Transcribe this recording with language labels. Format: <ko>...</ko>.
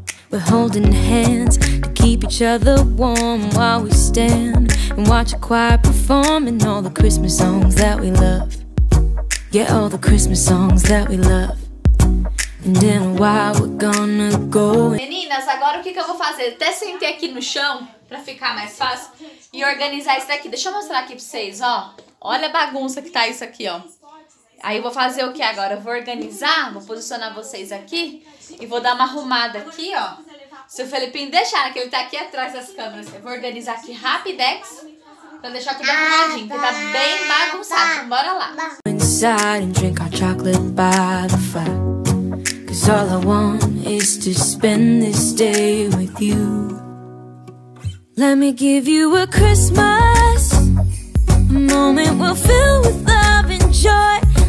<en>We're holding hands to keep each other warm while we stand and watch a choir perform and all the Christmas songs that we love. Yeah, all the Christmas songs that we love. And in a while we're gonna go.</en> <pt>Meninas, agora o que eu vou fazer? Até sentei aqui no chão pra ficar mais fácil e organizar isso daqui. Deixa eu mostrar aqui pra vocês, ó. Olha a bagunça que tá isso aqui, ó. Aí eu vou fazer o que agora? Eu vou organizar, vou posicionar vocês aqui e vou dar uma arrumada aqui, ó. Se o Felipinho deixar, que ele tá aqui atrás das câmeras. Eu vou organizar aqui rapidex pra deixar tudo arrumadinho, que tá bem bagunçado. Bora lá.</pt> <en>Inside and drink our chocolate by the fire. All I want is to spend this day with you. Let me give you a Christmas, a moment we'll fill with love and joy.</en>